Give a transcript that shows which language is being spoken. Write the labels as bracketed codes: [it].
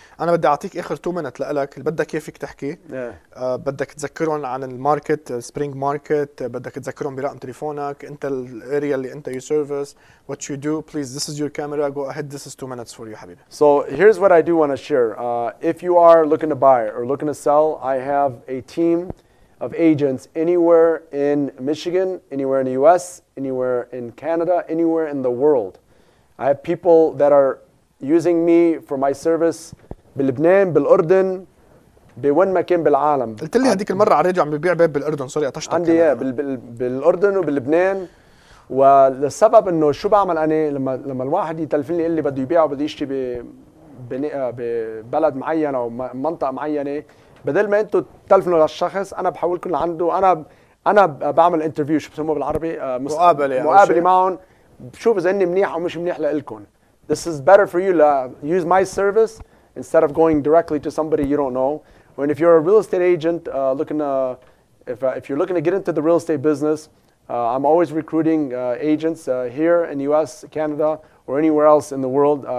[ar] انا بدي اعطيك اخر 2 مينت لك اللي بدك كيفك تحكي بدك تذكرهم عن الماركت سبرينج ماركت بدك تذكرهم برقم تليفونك انت الاريا اللي انت [en] you service what you do please this is your camera go ahead this is 2 minutes for you [ar] حبيبي. [en] So here's what I do want to share if you are looking to buy or looking to sell I have a team of agents anywhere in Michigan, anywhere in the US, anywhere in Canada, anywhere in the world. I have people that are using me for my service [ar] بلبنان بالأردن بوين ما كان بالعالم. قلت لي هذيك المرة على راديو عم ببيع باب بالأردن سوري قطشتك عندي يا بالأردن وبلبنان والسبب انه شو بعمل انا لما الواحد يتلفن لي يقول لي بده يبيع وبده يشتري ببلد معين او منطقة معينة بدل ما انتم تلفنوا للشخص انا بحولكم لعنده انا بعمل انترفيو شو بسموه بالعربي مقابله معهم بشوف اذا اني منيح او مش منيح لكم. [en] This is better for you to use my service instead of going directly to somebody you don't know. When if you're a real estate agent looking if you're looking to get into the real estate business I'm always recruiting agents here in the US, Canada or anywhere else in the world.